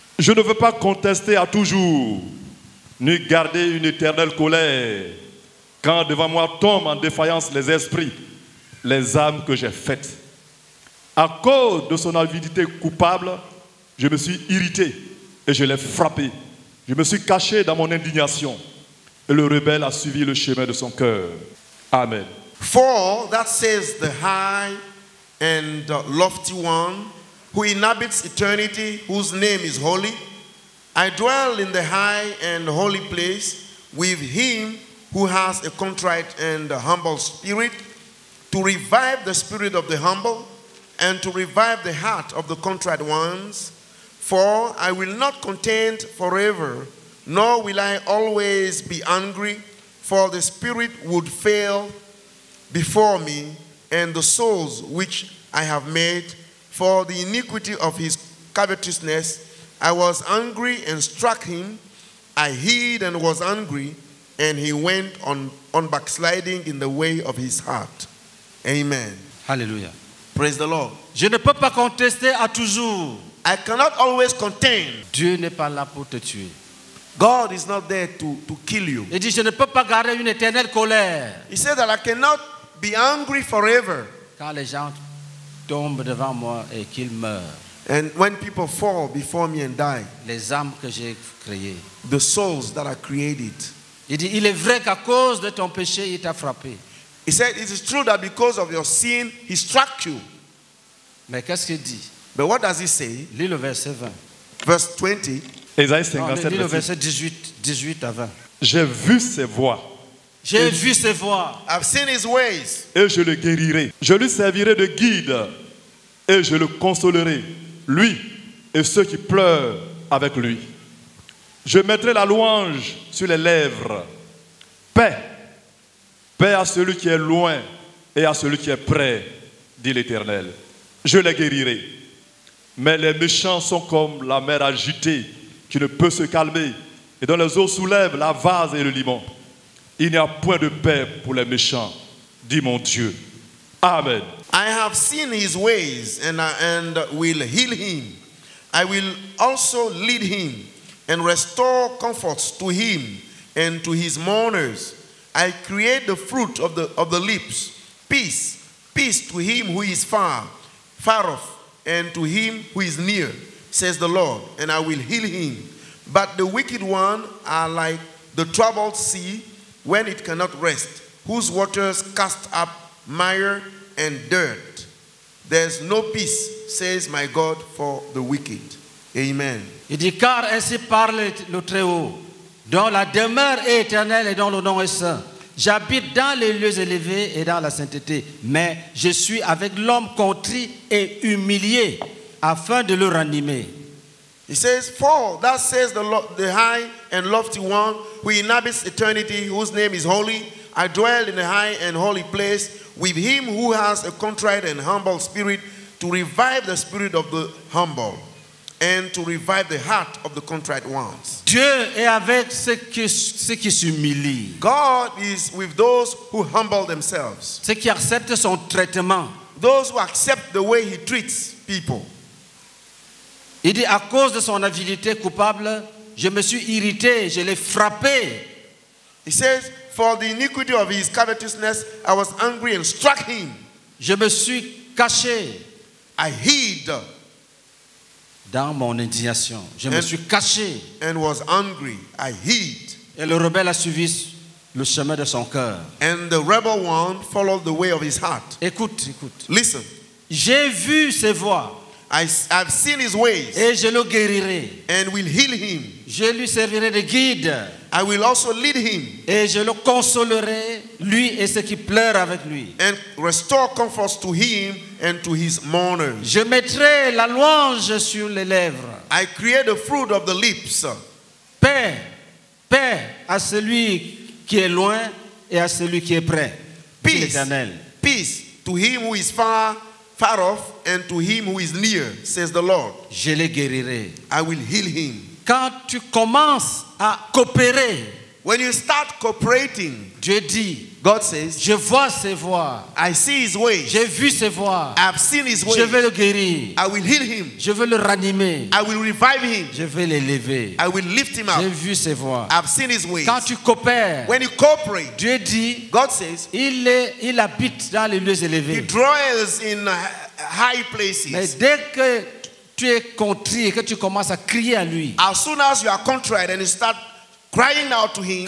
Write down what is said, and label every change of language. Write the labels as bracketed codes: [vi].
[fr] Je ne veux pas contester à toujours, ni garder une éternelle colère, quand devant moi tombent en défaillance les esprits, les âmes que j'ai faites. À cause de son avidité coupable, je me suis irrité et je l'ai frappé. Je me suis caché dans mon indignation. Et le rebelle a suivi le chemin de son cœur. Amen. [en] For that says the high and lofty one, who inhabits eternity, whose name is holy, I dwell in the high and holy place with him who has a contrite and a humble spirit, to revive the spirit of the humble and to revive the heart of the contrite ones. For I will not contend forever, nor will I always be angry, for the spirit would fail before me, and the souls which I have made, for the iniquity of his covetousness. I was angry and struck him. I hid and was angry, and he went on backsliding in the way of his heart. Amen. Hallelujah. Praise the Lord. [fr] Je ne peux pas contester à toujours. [en] I cannot always contain. [fr] Dieu n'est pas là pour te tuer. [en] God is not there to kill you. [fr] Il dit, je ne peux pas garder une éternelle colère. [en] He said that I cannot be angry forever. [fr] Quand les gens tombent devant moi et qu'ils meurent. [en] And when people fall before me and die. [fr] Les âmes que j'ai créées. [en] The souls that I created. [fr] Il dit, il est vrai qu'à cause de ton péché, il t'a frappé. [en] He said, it is true that because of your sin, he struck you. [fr] Mais qu'est-ce qu'il dit? [en] But what does he say? [fr] Lis le verset 20. [en] Verse 20. [fr] Esaïe 57. Lis le verset 18 à 20. J'ai vu ses voies. J'ai vu ses voies. [en] I've seen his ways. [fr] Et je le guérirai. Je lui servirai de guide. Et je le consolerai, lui et ceux qui pleurent avec lui. Je mettrai la louange sur les lèvres. Paix. Paix à celui qui est loin et à celui qui est près, dit l'Éternel. Je les guérirai. Mais les méchants sont comme la mer agitée qui ne peut se calmer et dont les eaux soulèvent la vase et le limon. Il n'y a point de paix pour les méchants, dit mon Dieu. Amen. [en] I have seen his ways and will heal him. I will also lead him and restore comforts to him and to his mourners. I create the fruit of the lips, peace, peace to him who is far off, and to him who is near, says the Lord, and I will heal him. But the wicked one are like the troubled sea when it cannot rest, whose waters cast up mire and dirt. There's no peace, says my God, for the wicked. Amen. [fr] Il dit, car ainsi parle le Très-Haut, dont la demeure est éternelle et dont le nom est saint. J'habite dans les lieux élevés et dans la sainteté, mais je suis avec l'homme contrit et humilié afin de le ranimer. [en] He says, for that says the high and lofty one, who inhabits eternity, whose name is holy, I dwell in a high and holy place with him who has a contrite and humble spirit, to revive the spirit of the humble and to revive the heart of the contrite ones. [fr] Dieu est avec ceux qui s'humilient. [en] God is with those who humble themselves. [fr] Ceux qui acceptent son traitement. [en] Those who accept the way he treats people. [fr] Il dit, à cause de son avidité coupable, je me suis irrité, je l'ai frappé. [en] He says, for the iniquity of his covetousness, I was angry and struck him. [fr] Je me suis caché. [en] I hid. [fr] Dans mon indignation, je me suis caché. [en] And was angry. I hid. [fr] Et le rebelle a suivi le chemin de son cœur. [en] And the rebel one followed the way of his heart. [fr] Écoute, écoute. [en] Listen. [fr] J'ai vu ses voies. [en] I've seen his ways. [fr] Et je le guérirai. [en] And will heal him. [fr] Je lui servirai de guide. [en] I will also lead him. [fr] Et je le consolerai, lui et ceux qui pleurent avec lui. [en] And restore comforts to him and to his mourners. [fr] Je mettrai la louange sur les lèvres. [en] I create the fruit of the lips. [fr] Paix, paix à celui qui est loin et à celui qui est près. [en] Peace, [fr] l'Éternel. [en] Peace to him who is far off and to him who is near, says the Lord. [fr] Je le guérirai. [en] I will heal him. [fr] Quand tu commences à coopérer, [en] when you start cooperating, [fr] Dieu dit, [en] God says, [fr] je vois ses voies. [en] I see his ways. [fr] J'ai vu ses voies. [en] I've seen his ways. [fr] Je vais le guérir. [en] I will heal him. [fr] Je vais le ranimer. [en] I will revive him. [fr] Je vais l'élever. [en] I will lift him up. [fr] J'ai vu ses voies. [en] I've seen his ways. [fr] Quand tu coopères, [en] when you cooperate, [fr] Dieu dit, [en] God says, [fr] il habite dans les lieux élevés. [en] He dwells in high places. [fr] Mais dès que tu es contrit et que tu commences à crier à lui, [en] as soon as you are contrite and you start crying out to him,